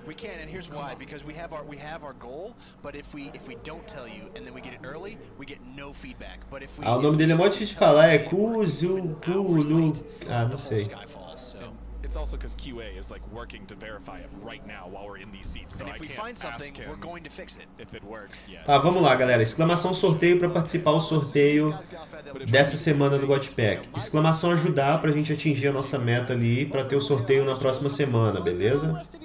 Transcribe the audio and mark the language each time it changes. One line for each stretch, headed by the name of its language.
English: We can, and here's why: because we have our goal, but if we don't tell you, and then we get it early, we get no feedback. But if we
Portuguese: ah, o nome dele é muito difícil de falar, é Kuzu Kulu. Ah, não sei.
English: It's also because QA is like working to verify it right now while we're in these seats, so and if I we can't find something, we're going to fix it. If it works, yeah.
Portuguese: Tá, vamos lá, galera! Exclamação sorteio para participar do sorteio dessa semana do Gotpack. Exclamação ajudar para a gente atingir a nossa meta ali para ter o sorteio na próxima semana, beleza?